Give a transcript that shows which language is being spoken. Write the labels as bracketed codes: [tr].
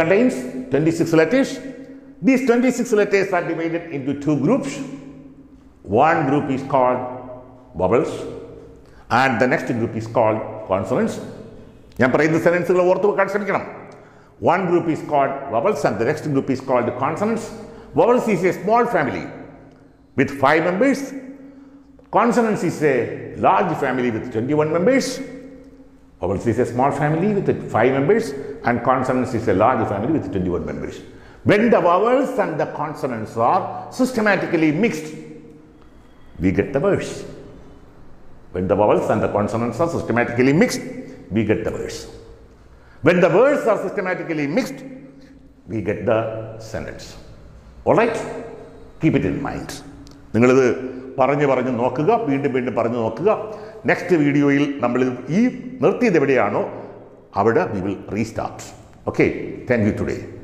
[en] It contains twenty six letters. These 26 letters are divided in to two groups. One group is called vowels and the next group is called consonants. [ml] Yan parayna sentences orthu vekkan shramikkanam. [en] One group is called vowels and the next group is called consonants. Vowels is a small family with 5 members. Consonants is a large family with 21 members. Vowels is a small family with 5 members and consonants is a large family with 21 members. When the vowels and the consonants are systematically mixed, we get the words. When the vowels and the consonants are systematically mixed, we get the words. When the words are systematically mixed, we get the sentence. All right? Keep it in mind. [ml] നിങ്ങളിത് പറഞ്ഞ് പറഞ്ഞ് നോക്കുക, വീണ്ടും വീണ്ടും പറഞ്ഞ് നോക്കുക. Next വീഡിയോയിൽ നമ്മൾ ഈ നിർത്തിയത് എവിടെയാണോ അവിടെ [en] We will restart. Okay, thank you today.